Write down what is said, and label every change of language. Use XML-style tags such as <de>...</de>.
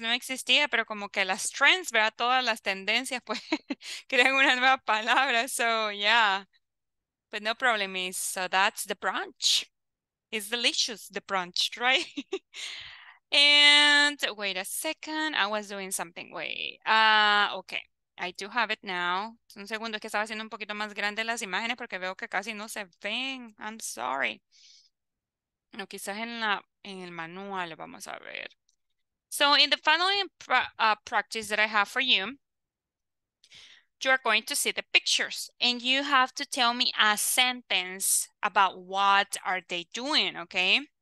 <es>No existía, pero como que las trends, ¿verdad? Todas las tendencias, pues, crean una nueva palabra.</es> <en>So, yeah. But no problem is, so that's the brunch. It's delicious, the brunch, right? And wait a second. I was doing something. Okay. I do have it now.</en> <es>Un segundo, es que estaba haciendo un poquito más grande las imágenes porque veo que casi no se ven.</es> <en>I'm sorry.</en> <es>No, quizás en el manual vamos a ver.</es> <en>So in the following practice that I have for you, you are going to see the pictures and you have to tell me a sentence about what are they doing, okay?</en>